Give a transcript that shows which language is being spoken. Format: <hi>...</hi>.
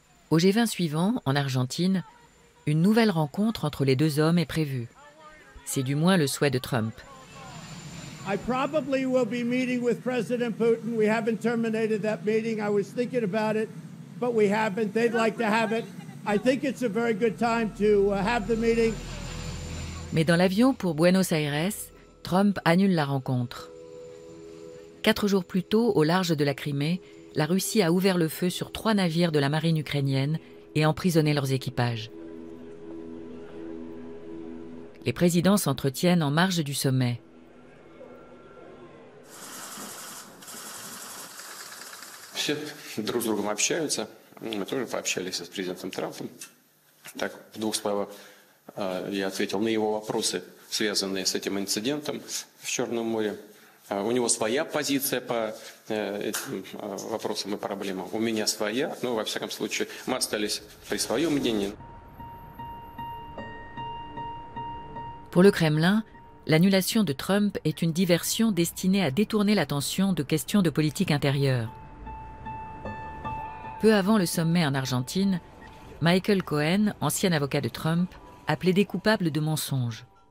<fr>Au G20 suivant, en Argentine, une nouvelle rencontre entre les deux hommes est prévue. C'est du moins le souhait de Trump.</fr> <en>I probably will be meeting with President Putin. We haven't terminated that meeting. I was thinking about it, but we haven't. They'd like to have it. I think it's a very good time to have the meeting.</en> <fr>Mais dans l'avion pour Buenos Aires, Trump annule la rencontre. Quatre jours plus tôt, au large de la Crimée, la Russie a ouvert le feu sur trois navires de la marine ukrainienne et emprisonné leurs équipages. Les présidents s'entretiennent en marge du sommet.</fr> <ru>Все друг с другом общаются. Мы тоже пообщались с президентом Трампом. Так, в двух словах, я ответил на его вопросы, связанные с этим инцидентом в Черном море. У него своя позиция по этим вопросам и проблемам. У меня своя, но, во всяком случае, мы остались при своем мнении.</ru> <fr>Pour le Kremlin, l'annulation de Trump est une diversion destinée à détourner l'attention de questions de politique intérieure. Peu avant le sommet en Argentine, Michael Cohen, ancien avocat de Trump, a plaidé coupable de mensonge.</fr>